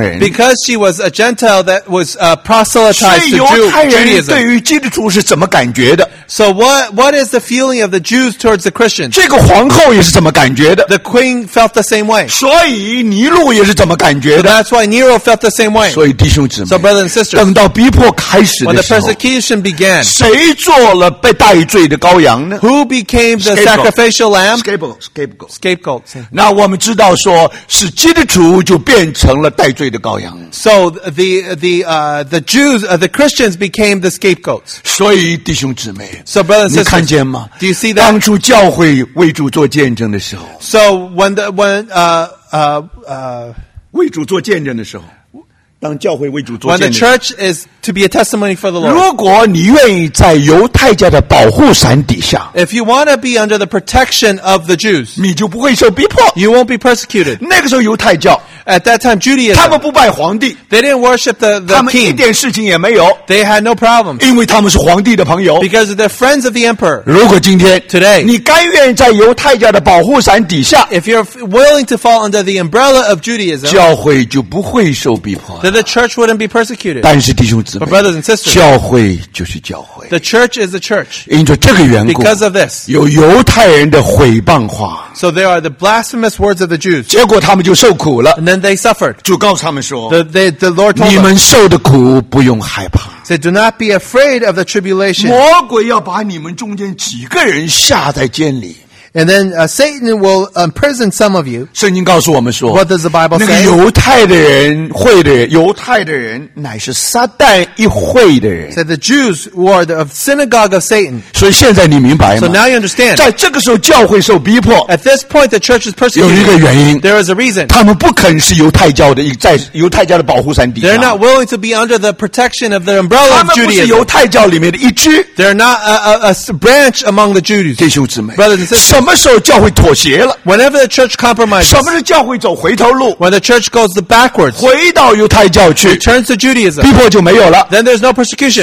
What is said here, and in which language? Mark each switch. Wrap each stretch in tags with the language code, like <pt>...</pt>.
<en>Because she was a Gentile that was proselytized to Judaism. So what is the feeling of the Jews towards the Christians?</en> <zh>这个皇后也是怎么感觉的?</zh> <en>The queen felt the same way.</en> <zh>所以尼禄也是怎么感觉的?</zh> <en>So that's why Nero felt the same way.</en> <zh>所以弟兄姊妹,</zh> <en>so brothers and sisters,</en> <zh>等到逼迫开始的时候,</zh> <en>when the persecution began,</en> <zh>谁做了被戴罪的羔羊呢?</zh> <en>Who became the sacrificial lamb? Scapegoat. So the Jews, the Christians became the scapegoats.</en> <zh>所以弟兄姊妹,</zh> <en>so brothers and sisters,</en> <zh>你看见吗?</zh> <en>Do you see that?</en> <zh>当初教会为主做见证的时候,</zh> <en>so when</en> <zh>当教会为主做见证,</zh> <en>when the church is to be a testimony for the Lord,</en> <zh>如果你愿意在犹太家的保护伞底下,</zh> <en>if you want to be under the protection of the Jews,</en> <zh>你就不会受逼迫,</zh> <en>you won't be persecuted.</en> <zh>那个时候犹太教,</zh> <en>at that time Judaism,</en> <zh>他们不拜皇帝,</zh> <en>they didn't worship the king,</en> <zh>他们一点事情也没有,</zh> <en>they had no problems,</en> <zh>因为他们是皇帝的朋友,</zh> <en>because they're friends of the emperor.</en> <zh>如果今天,</zh> <en>today,</en> <zh>你甘愿在犹太家的保护伞底下,</zh> <en>if you're willing to fall under the umbrella of Judaism,</en> <zh>教会就不会受逼迫,</zh> <en>that the church wouldn't be persecuted.</en> <zh>但是弟兄姊妹,</zh> <en>but brothers and sisters,</en> <zh>教会就是教会,</zh> <en>the church is the church.</en> <zh>因着这个缘故,</zh> <en>because of this,</en> <zh>有犹太人的毁谤话,</zh> <en>so there are the blasphemous words of the Jews.</en> <zh>结果他们就受苦了,</zh> <en>and then they suffered.</en> <zh>主告诉他们说,</zh> <en>the Lord told them,</en> <zh>你们受的苦不用害怕,</zh> <en>said, do not be afraid of the tribulation.</en> <zh>魔鬼要把你们中间几个人下在监里,</zh> <en>and then Satan will imprison some of you.</en> <zh>圣经告诉我们说,</zh> <en>what does the Bible say?</en> <zh>犹太的人乃是撒旦一会的人,</zh> <en>said the Jews were the synagogue of Satan.</en> <zh>所以现在你明白吗?</zh> <en>So now you understand,</en> <zh>在这个时候教会受逼迫,</zh> <en>at this point the church is persecuted.</en> <zh>有一个原因,</zh> <en>there is a reason,</en> <zh>他们不肯是犹太教的, 在犹太教的保护伞底下,</zh> <en>they're not willing to be under the protection of the umbrella of Judaism.</en> <zh>他们不是犹太教里面的一支,</zh> <en>they're not a branch among the Jews.</en> <zh>弟兄姊妹,</zh> <en>brothers and sisters,</en> <zh>什么时候教会妥协了?</zh> <en>Whenever the church compromises,</en> <zh>什么时候教会走回头路?</zh> <en>When the church goes the backwards,</en> <zh>回到犹太教去,</zh> <en>returns to Judaism,</en> <zh>逼迫就没有了,</zh> <en>then there's no persecution.</en>